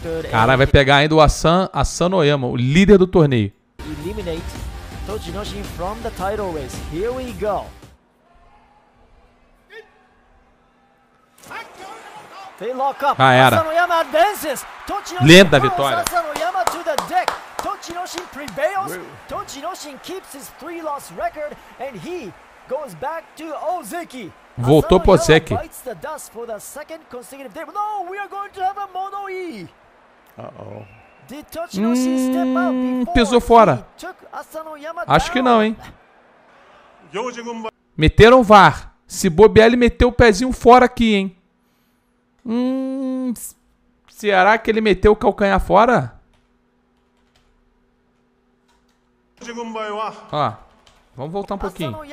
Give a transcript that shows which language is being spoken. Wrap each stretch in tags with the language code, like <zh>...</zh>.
<pt>Caralho, vai pegar ainda o Asanoyama, o líder do torneio.</pt> <en>Eliminate Tochinoshin from the title race. Here we go. They lock up. Asanoyama advances.</en> <pt>Lenda vitória.</pt> <en>Asanoyama to the deck. Tochinoshin prevails. Tochinoshin keeps his 3-loss record and he goes back to Ozeki.</en> <pt>Voltou pro Ozeki.</pt> <en>Bites the dust for the second consecutive day. No, we are going to have a mono E. Uh-oh. Did Tochinoshin step up before he took Asanoyama down?</en> <pt>Acho que não, hein? Meteram o VAR. Se bobear, ele meteu o pezinho fora aqui, hein? Será que ele meteu o calcanhar fora? Ah, vamos voltar um pouquinho.</pt>